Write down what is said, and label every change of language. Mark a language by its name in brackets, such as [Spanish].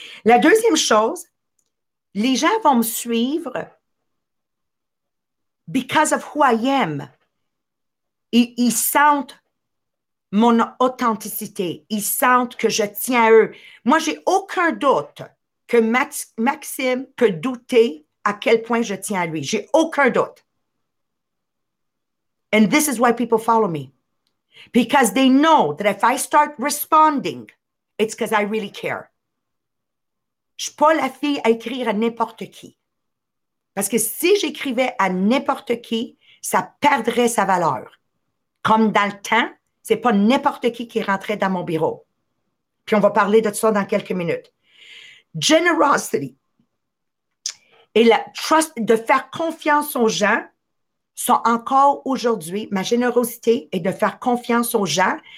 [French] La deuxième chose, les gens vont me suivre [English] because of who I am. [French] Ils sentent mon authenticité. Ils sentent que je tiens à eux. Moi, j'ai aucun doute que Maxime peut douter à quel point je tiens à lui. J'ai aucun doute. [English] And this is why people follow me. Because they know that if I start responding, it's because I really care. [French] Je suis pas la fille à écrire à n'importe qui. Parce que si j'écrivais à n'importe qui, ça perdrait sa valeur. Comme dans le temps, c'est pas n'importe qui rentrait dans mon bureau. Puis on va parler de ça dans quelques minutes. Generosity et la trust, de faire confiance aux gens, sont encore aujourd'hui, ma générosité est de faire confiance aux gens.